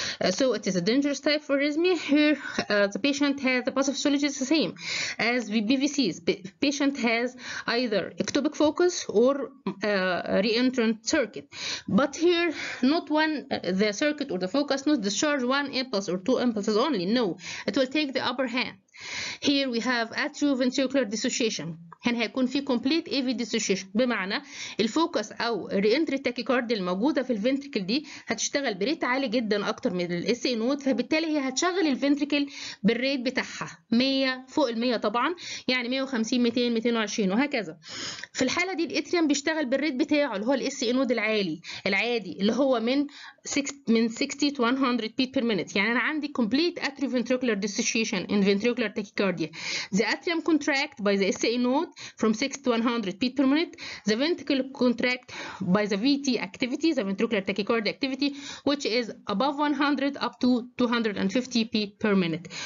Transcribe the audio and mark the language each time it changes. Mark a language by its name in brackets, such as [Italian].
[English] So it is a dangerous type of arrhythmia. Here, the patient has the passive physiology is the same as BVCs. Patient has either ectopic focus or reentrant circuit. But here, not one the circuit or the focus not discharge one impulse or two impulses only. No, it will take the upper hand. Here we have atrioventricular dissociation. [Arabic] هنا هيكون في complete AV dissociation بمعنى الفوكس او الريانتري تاكيكارديا الموجوده في الفنتركل دي هتشتغل بريت عالي جدا اكتر من الاس اي نود، فبالتالي هي هتشغل الفنتركل بالريت بتاعها 100 فوق ال 100 طبعا، يعني 150 200 220 وهكذا. في الحاله دي الاتريوم بيشتغل بالريت بتاعه اللي هو الاس اي نود العالي العادي اللي هو من 60 [English] to 100 beat per minute. [Arabic] يعني انا عندي [English] complete atrioventricular dissociation in ventricular tachycardia. The atrium contract by the SA node from 60 to 100 beat per minute. The ventricle contract by the VT activity, the ventricular tachycardia activity, which is above 100 up to 250 beat per minute.